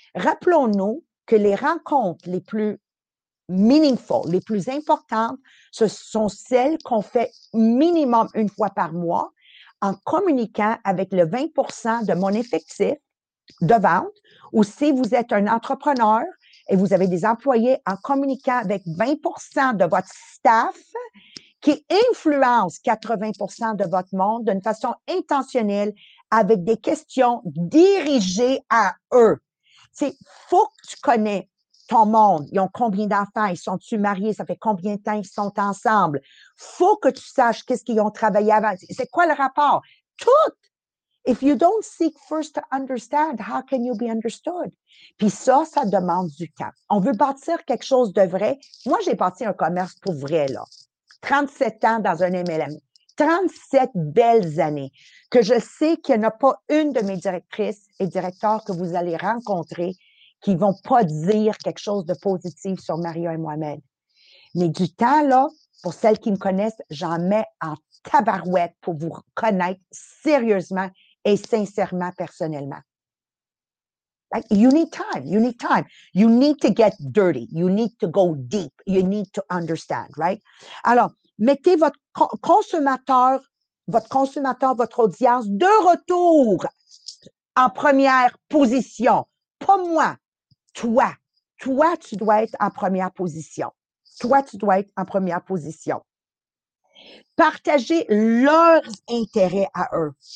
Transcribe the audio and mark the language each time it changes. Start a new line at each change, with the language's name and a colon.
French: Rappelons-nous que les rencontres les plus meaningful, les plus importantes, ce sont celles qu'on fait minimum une fois par mois en communiquant avec le 20% de mon effectif de vente ou si vous êtes un entrepreneur et vous avez des employés en communiquant avec 20% de votre staff qui influence 80% de votre monde d'une façon intentionnelle avec des questions dirigées à eux. C'est faut que tu connais ton monde. Ils ont combien d'enfants? Ils sont-ils mariés? Ça fait combien de temps ils sont ensemble? Faut que tu saches qu'est-ce qu'ils ont travaillé avant. C'est quoi le rapport? Tout!
English: If you don't seek first to understand, how can you be understood?
French: Puis ça, ça demande du temps. On veut bâtir quelque chose de vrai. Moi, j'ai bâti un commerce pour vrai, là. 37 ans dans un MLM. 37 belles années que je sais qu'il n'y en a pas une de mes directrices et directeurs que vous allez rencontrer qui vont pas dire quelque chose de positif sur Mario et moi-même. Mais du temps, là, pour celles qui me connaissent, j'en mets en tabarouette pour vous connaître sérieusement et sincèrement, personnellement.
English: Like, you need time, you need time. You need to get dirty, you need to go deep, you need to understand, right?
French: Alors, mettez votre consommateur, votre audience de retour en première position. Pas moi, toi. Toi, tu dois être en première position. Toi, tu dois être en première position. Partagez leurs intérêts à eux.